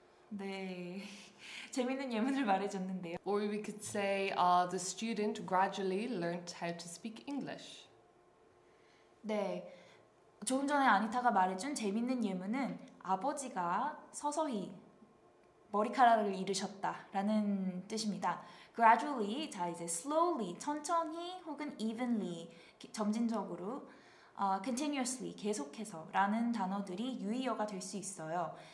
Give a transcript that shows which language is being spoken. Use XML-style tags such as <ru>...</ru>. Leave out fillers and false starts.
<ko>네, 재밌는 예문을 말해줬는데요.</ko> <en>Or we could say the student gradually learned how to speak English.</en> <ko>네, 조금 전에 아니타가 말해준 재밌는 예문은 아버지가 서서히 머리카락을 잃으셨다라는 뜻입니다. Gradually, 자 이제 slowly, 천천히 혹은 evenly, 점진적으로, continuously, 계속해서 라는 단어들이 유의어가 될 수 있어요.</ko>